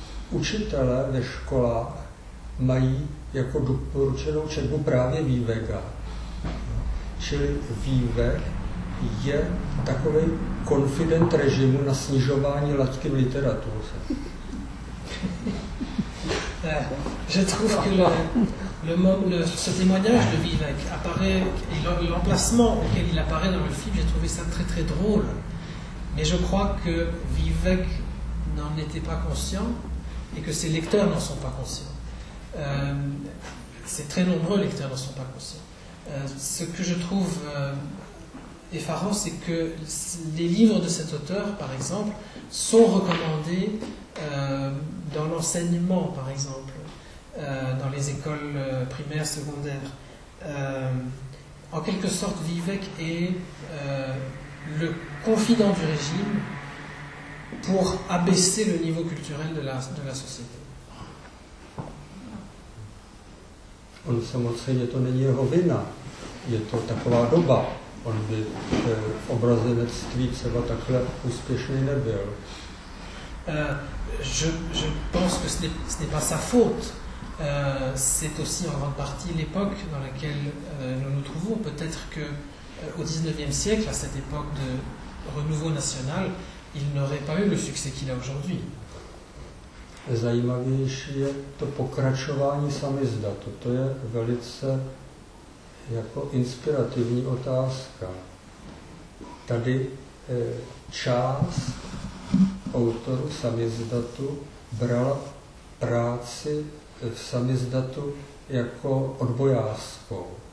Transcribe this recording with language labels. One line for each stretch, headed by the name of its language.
Czech: Učitelé ve školách mají jako doporučenou četbu právě Vývega. Čili Vývek je takový konfident režimu na snižování laťky v literatuře.
French: Je trouve que le ce témoignage de Vývek apparaît et l'emplacement auquel il apparaît dans le film, j'ai trouvé ça très très drôle. Mais je crois que Vývek n'en était pas conscient et que ses lecteurs n'en sont pas conscients. C'est très nombreux lecteurs ne sont pas conscients. Ce que je trouve effarant, c'est que les livres de cet auteur, par exemple, sont recommandés dans l'enseignement, par exemple, dans les écoles primaires, secondaires. En quelque sorte, Vivek est le confident du régime pour abaisser le niveau culturel de la société.
Czech: On samozřejmě to není jeho vina, je to taková doba, on by v obrazenectví třeba takhle úspěšný nebyl.
French: Je pense que ce n'est pas sa faute, c'est aussi en grande partie l'époque dans laquelle nous nous trouvons. Peut-être que au 19e siècle, à cette époque de renouveau national, il n'aurait pas eu le succès qu'il a aujourd'hui.
Czech: Zajímavější je to pokračování samizdatu. To je velice jako inspirativní otázka. Tady část autorů samizdatu brala práci v samizdatu jako odbojářskou.